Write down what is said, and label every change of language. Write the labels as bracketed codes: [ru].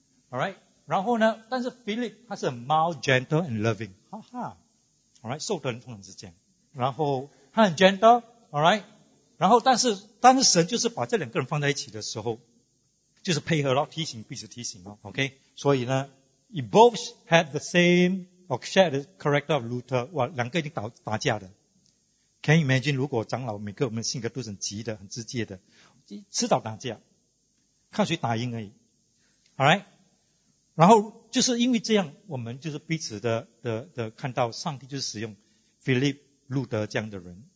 [en] All right。然后呢？ [zh] 但是 Philip 他是很 mild, gentle and loving，哈哈 ，All right， 受的人通常是这样。然后他很 gentle，All right， 然后但是神就是把这两个人放在一起的时候，就是配合咯，提醒彼此提醒咯 ，OK。 [en] 所以呢，you both had the same or shared the character of Luther， 哇，两个已经打架的。 [zh] Can you imagine 如果长老每个我们性格都是很急的、很直接的，迟早打架，看谁打赢而已。 All right， 然后就是因为这样，我们就是彼此的看到上帝就是使用 Philip 路德这样的人。